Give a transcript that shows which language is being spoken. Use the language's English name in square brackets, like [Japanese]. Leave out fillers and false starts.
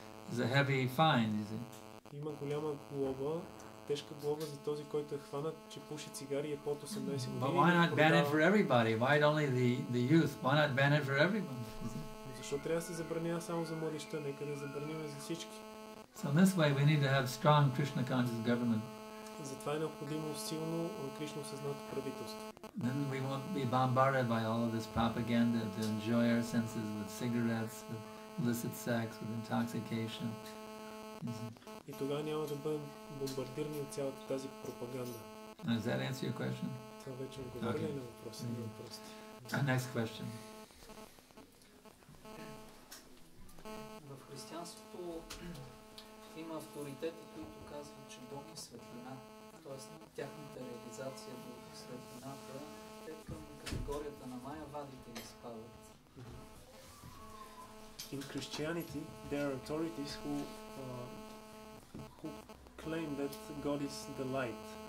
[English] It's a heavy fine, is it? [Bulgarian] Има голяма глоба, тежка глоба за този, който е хванат, че пуши цигари е под 18 години. [English] But why not ban it for everybody? Why only the youth? Why not ban it for everyone? [Bulgarian] Защо трябва да се забранява само за младеща? Нека да забраним за всички. [English] So in this way we need to have strong Krishna conscious government. [Bulgarian] Затова е необходимо силно Кришна съзнато правителство. [English] Then we won't be bombarded by all of this propaganda to enjoy our senses with cigarettes, with illicit sex, with intoxication. [Bulgarian] И тогава няма да бъдем бомбардирани от цялата тази пропаганда. [English] Now, does that answer your question? [Bulgarian] Това вече ми говори на въпроси. [English] Next question. [Bulgarian] В християнството има авторитети, които казват, че Бог е светлина. Тоест тяхната реализация до светлината, те към категорията на майявадите ни спадат. [English] In Christianity, there are authorities who who claim that God is the light.